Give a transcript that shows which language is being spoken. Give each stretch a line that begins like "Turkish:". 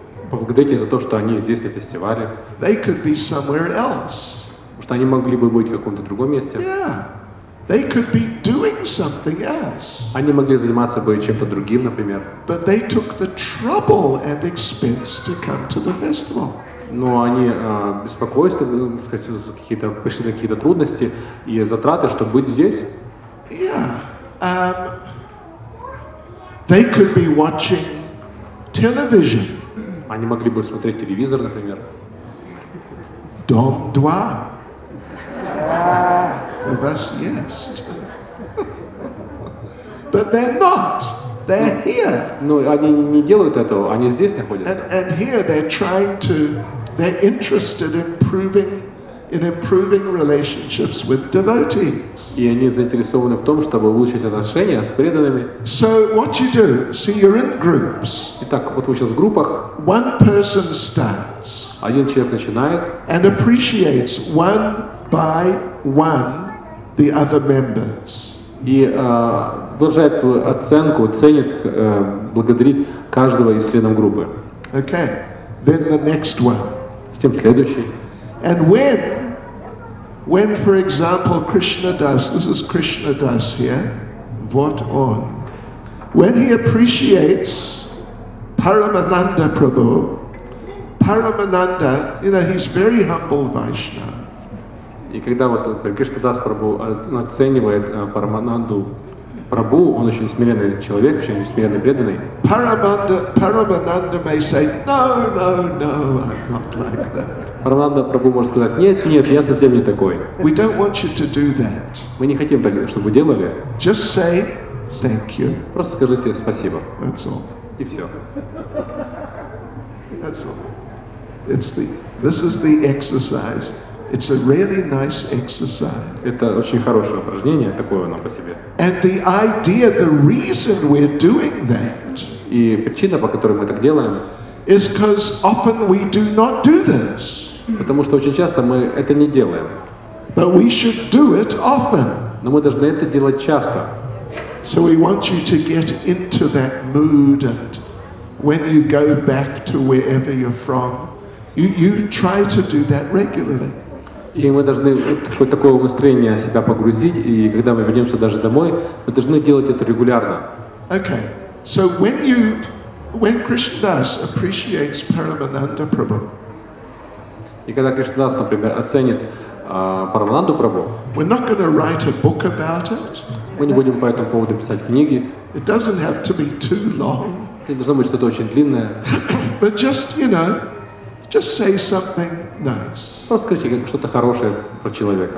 Russian: Поблагодарите за то, что они здесь на фестивале.
English: They could be somewhere else.
Russian: Что они могли бы быть в каком-то другом месте.
English: Yeah. They could be doing something else.
Russian: Они могли заниматься бы чем-то другим, например.
English: But they took the trouble and expense to come to the festival.
Russian: Но они беспокоились, какие-то пошли на какие-то трудности и затраты, чтобы быть здесь.
English: Yeah. They could be watching television.
Russian: Они могли бы смотреть телевизор, например. Дом два.
English: Well, that's yes. But they're not. They're here.
Russian: Ну, они не делают этого. Они здесь находятся.
English: And here they're trying to. They're interested in improving relationships with devotees.
Russian: И они заинтересованы в том, чтобы улучшить отношения с преданными.
English: So what you do? See, you're in groups.
Russian: Итак, вот вы сейчас в группах.
English: One person starts.
Russian: Один человек начинает.
English: And appreciates one by one the other members.
Russian: И выражает свою оценку, ценит, благодарит каждого из членов группы.
English: Okay. Then the next one.
Russian: Затем следующий.
English: And when, for example, Krishna does, this is Krishna does here, what on? When he appreciates Paramananda Prabhu, Paramananda, you know, he's very humble Vaishnava.
Russian: И когда вот Кришнадас Прабху оценивает Парамананду Прабху, он очень смиренный человек, очень смиренный преданный.
English: Парамананда may say, no, I'm not like that.
Russian: Парамананда Прабху может сказать, нет, я совсем не такой.
English: We don't want you to do that.
Russian: Мы не хотим так, чтобы вы делали.
English: Just say thank you.
Russian: Просто скажите спасибо.
English: That's all.
Russian: И все.
English: That's all. This is the exercise. It's a really nice exercise.
Russian: Это очень хорошее упражнение, такое оно по себе.
English: And the idea, the reason we're doing that.
Russian: И причина, по которой мы так делаем.
English: Is because often we do not do this.
Russian: Потому что очень часто мы это не делаем.
English: But we should do it often.
Russian: Но мы должны это делать часто.
English: So we want you to get into that mood, and when you go back to wherever you're from, you try to do that regularly.
Russian: И мы должны хоть такое настроение себя погрузить, и когда мы вернемся даже домой, мы должны делать это регулярно.
English: Okay. So when Krishnadas appreciates Paramananda Prabhu.
Russian: И когда Кришнадас, например, оценит Парамананду Прабху.
English: We're not going to write a book about it.
Russian: Мы не будем по этому поводу писать книги.
English: It doesn't have to be too long.
Russian: Не должно быть что-то очень длинное.
English: But just, you know, just say something nice.
Russian: Просто скажите что-то хорошее про человека.